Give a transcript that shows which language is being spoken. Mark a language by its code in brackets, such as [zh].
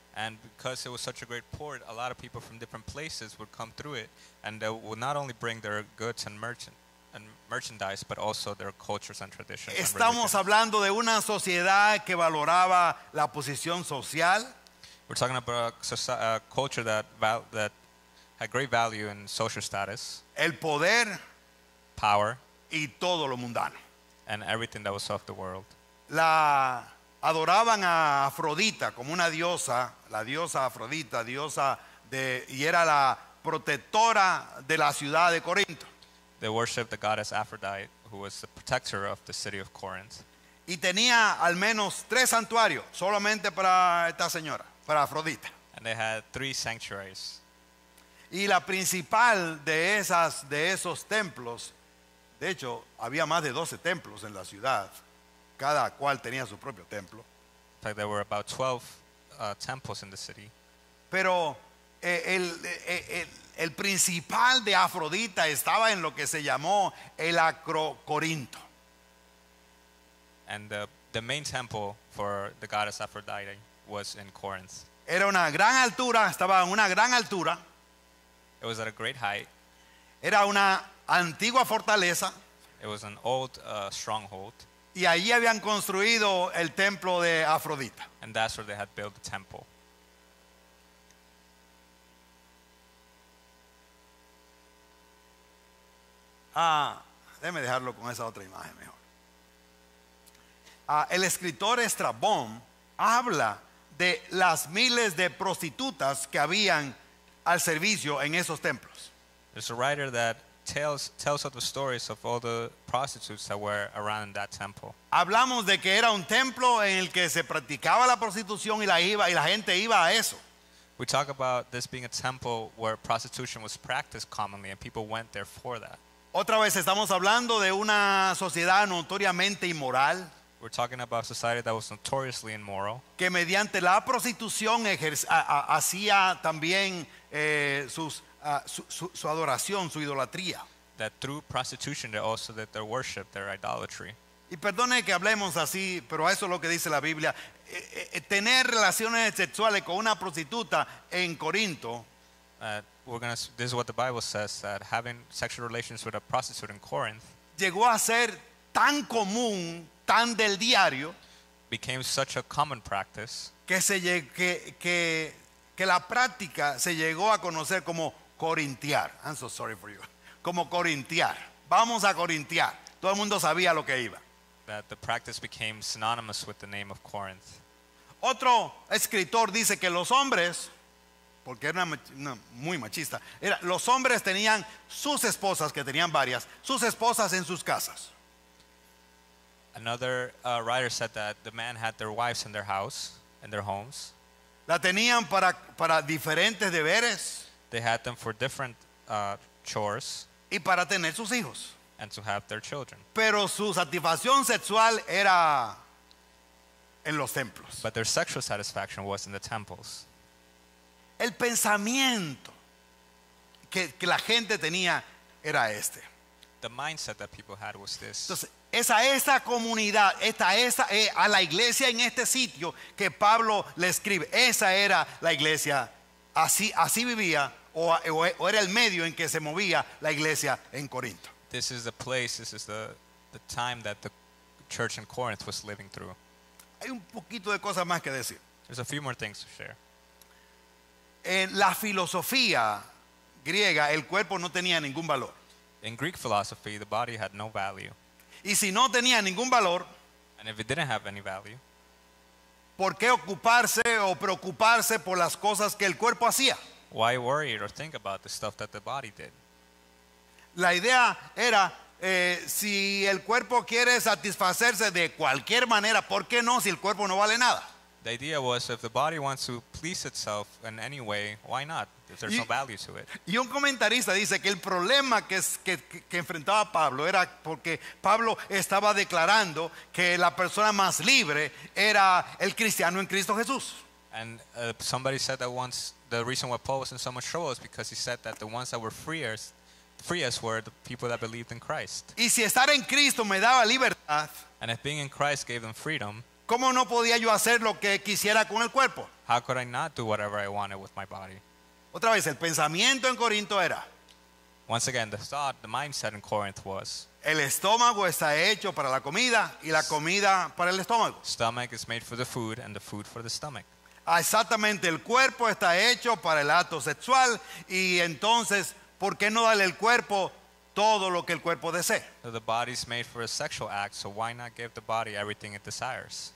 [en] And because it was such a great port, a lot of people from different places would come through it, and they would not only bring their goods and merchandise, but also their cultures and traditions. [es] Estamos hablando de una sociedad que valoraba la posición social. [en] We're talking about a culture that had great value in social status. [es] El poder, [en] power, [es] y todo lo mundano, [en] and everything that was of the world. [es] La adoraban a Afrodita como una diosa, la diosa Afrodita, diosa de, y era la protectora de la ciudad de Corinto. [en] They worshipped the goddess Aphrodite, who was the protector of the city of Corinth. [es] Y tenía al menos tres santuarios solamente para esta señora, para Afrodita. [en] And they had three sanctuaries. [es] Y la principal de esos templos, de hecho, había más de 12 templos en la ciudad. Cada cual tenía su propio templo. [en] In fact, there were about 12 temples in the city. [es] Pero el el principal de Afrodita estaba en lo que se llamó el Acrocorinto. [en] And the main temple for the goddess Aphrodite was in Corinth. [es] Era una gran altura, estaba en una gran altura. [en] It was at a great height. [es] Era una antigua fortaleza. [en] It was an old stronghold. [es] Y allí habían construido el templo de Afrodita. [en] And that's where they had built the temple. [es] Ah, déjeme dejarlo con esa otra imagen mejor. El escritor Estrabón habla de las miles de prostitutas que habían al servicio en esos templos. [en] There's a writer that tells of the stories of all the prostitutes that were around that temple. [es] Hablamos de que era un templo en el que se practicaba la prostitución y la gente iba a eso. [en] We talk about this being a temple where prostitution was practiced commonly and people went there for that. [es] Otra vez estamos hablando de una sociedad notoriamente inmoral. [en] We're talking about a society that was notoriously immoral. [es] Que mediante la prostitución hacía también su adoración, su idolatría. [en] That through prostitution they also did their worship, their idolatry. [es] Y perdone que hablemos así, pero eso es lo que dice la Biblia. Tener relaciones sexuales con una prostituta en Corinto. [en] This is what the Bible says, that having sexual relations with a prostitute in Corinth [es] llegó a ser tan común, tan del diario, [en] became such a common practice, [es] que la práctica se llegó a conocer como corintiar. [en] I'm so sorry for you. [es] Como corintiar. Vamos a corintiar. Todo el mundo sabía lo que iba. [en] That the practice became synonymous with the name of Corinth. [es] Otro escritor dice que los hombres, porque era una muy machista, era, los hombres tenían sus esposas, que tenían varias, sus esposas en sus casas. [en] Another writer said that the man had their wives in their house, in their homes. [es] La tenían para diferentes deberes. [en] They had them for different chores. [es] Y para tener sus hijos. [en] And to have their children. [es] Pero su satisfacción sexual era en los templos. [en] But their sexual satisfaction was in the temples. [es] El pensamiento que la gente tenía era este. [en] The mindset that people had was this. [es] Entonces, es a esa comunidad, a la iglesia en este sitio que Pablo le escribe. Esa era la iglesia, así vivía, o era el medio en que se movía la iglesia en Corinto. [en] This is the place, this is the time that the church in Corinth was living through. [es] Hay un poquito de cosas más que decir. [en] There's a few more things to share. [es] En la filosofía griega, el cuerpo no tenía ningún valor. [en] In Greek philosophy, the body had no value. [es] Y si no tenía ningún valor, [en] and if it didn't have any value, [es] ¿por qué ocuparse o preocuparse por las cosas que el cuerpo hacía? [en] Why worry or think about the stuff that the body did? [es] La idea era, si el cuerpo quiere satisfacerse de cualquier manera, ¿por qué no si el cuerpo no vale nada? [en] The idea was, if the body wants to please itself in any way, why not? If there's no value to it. [es] Y un comentarista dice que el problema que enfrentaba Pablo era porque Pablo estaba declarando que la persona más libre era el cristiano en Cristo Jesús. [en] And somebody said that once the reason why Paul was in so much trouble is because he said that the ones that were freest were the people that believed in Christ. [es] Y si estar en Cristo me daba libertad, [en] and if being in Christ gave them freedom, [es] ¿cómo no podía yo hacer lo que quisiera con el cuerpo? [en] How could I not do whatever I wanted with my body? [es] Otra vez, el pensamiento en Corinto era, [en] once again, the thought, the mindset in Corinth was, [es] el estómago está hecho para la comida y la comida para el estómago. [en] Stomach is made for the food and the food for the stomach. [es] Exactamente, el cuerpo está hecho para el acto sexual y entonces, ¿por qué no darle el cuerpo todo lo que el cuerpo desee? [en] The body is made for a sexual act, so why not give the body everything it desires?